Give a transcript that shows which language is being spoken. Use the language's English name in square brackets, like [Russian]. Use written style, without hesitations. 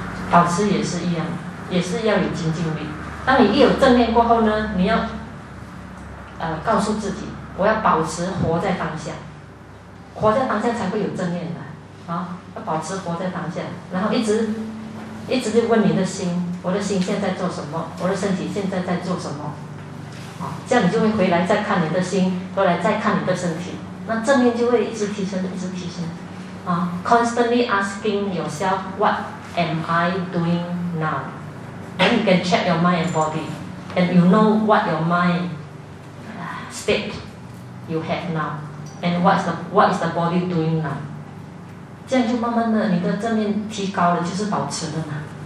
[Chinese] 保持也是一样，也是要有精进力。当你一有正念过后呢，你要告诉自己，我要保持活在当下，活在当下才会有正念的。要保持活在当下，然后一直就问你的心，我的心现在做什么，我的身体现在在做什么，这样你就会回来再看你的心，回来再看你的身体，那正念就会一直提升，一直提升。 [English] Constantly asking yourself, what am I doing now? Then you can check your mind and body, and you know what your mind state you have now, and what is the body doing now? [Chinese] 这样就慢慢的，你的正念提高了，就是保持的嘛。